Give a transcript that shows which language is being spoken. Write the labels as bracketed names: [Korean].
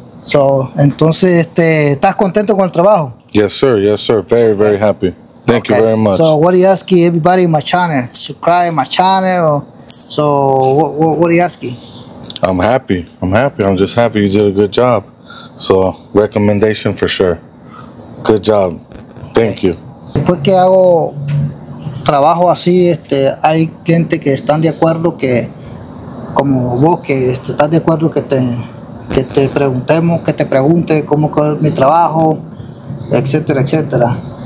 [Spanish] So entonces estás contento con el trabajo? [English] Yes sir. Very, very happy. Thank you very much. So what are you asking everybody in my channel? Subscribe my channel or, so what are you asking? I'm happy. I'm just happy you did a good job. So recommendation for sure. Good job. Thank you. [Spanish] Después que hago trabajo así, hay clientes que están de acuerdo que, como vos, que estás de acuerdo que te preguntemos, que te pregunte cómo es mi trabajo, etcétera, etcétera.